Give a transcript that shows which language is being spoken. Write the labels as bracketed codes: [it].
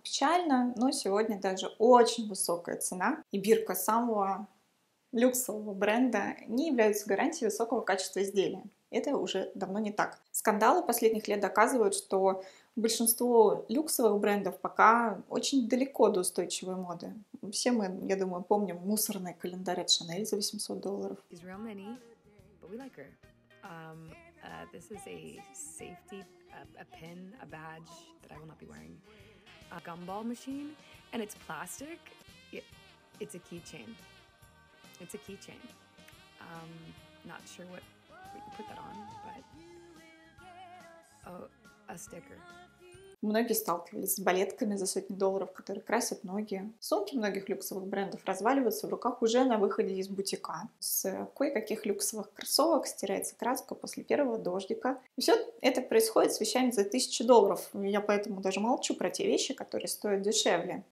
[ru] Печально, но сегодня даже очень высокая цена и бирка самого люксового бренда не являются гарантией высокого качества изделия. Это уже давно не так. Скандалы последних лет доказывают, что большинство люксовых брендов пока очень далеко до устойчивой моды. Все мы, я думаю, помним мусорный календарь от Шанель за $800. [en] He's real mini, but we like her. This is a safety, a pin, a badge that I will not be wearing. A gumball machine, and it's plastic. It's a keychain. It's a keychain. Not sure what we can put that on, but a sticker. [ru] Многие сталкивались с балетками за сотни долларов, которые красят ноги. Сумки многих люксовых брендов разваливаются в руках уже на выходе из бутика. С кое-каких люксовых кроссовок стирается краска после первого дождика. И все это происходит с вещами за $1000. Я поэтому даже молчу про те вещи, которые стоят дешевле.